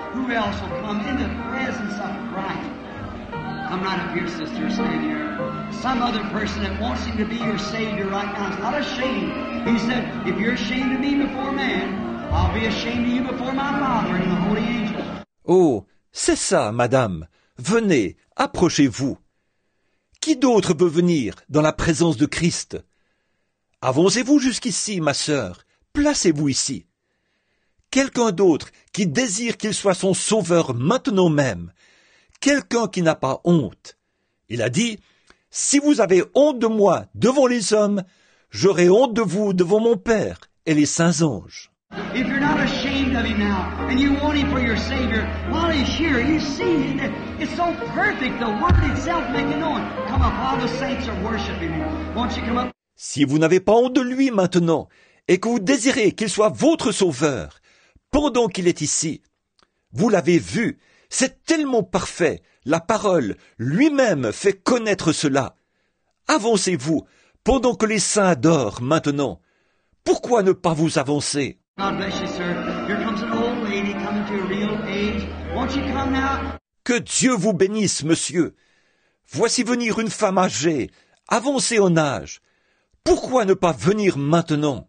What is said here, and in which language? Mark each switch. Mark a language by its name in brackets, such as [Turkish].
[English] Who else will come in the presence of Christ? Come right up here, sister. Stand here. Some other person that wants him to be your Savior right now is not ashamed. He said, if you're ashamed of me before man, I'll be ashamed of you before my Father and the holy angels. [French] Oh, c'est ça, madame. Venez, approchez-vous. Qui d'autre veut venir dans la présence de Christ? Avancez-vous jusqu'ici, ma sœur. Placez-vous ici. Quelqu'un d'autre qui désire qu'il soit son sauveur maintenant même. Quelqu'un qui n'a pas honte. Il a dit, « Si vous avez honte de moi devant les hommes, j'aurai honte de vous devant mon Père et les saints anges. » [English] If you're not ashamed of him now, and you want him for your Savior, while he's here, you see, it's so perfect, the word itself making known. Come up, all the saints are worshiping him. Won't you come up? [French] Si vous n'avez pas honte de lui maintenant, et que vous désirez qu'il soit votre sauveur, pendant qu'il est ici, vous l'avez vu, c'est tellement parfait, la parole lui-même fait connaître cela. Avancez-vous, pendant que les saints adorent maintenant. Pourquoi ne pas vous avancer? [English] God bless you, sir. Here comes an old lady coming to a real age. Won't you come now? [French] Que Dieu vous bénisse, monsieur. Voici venir une femme âgée, avancée en âge. Pourquoi ne pas venir maintenant?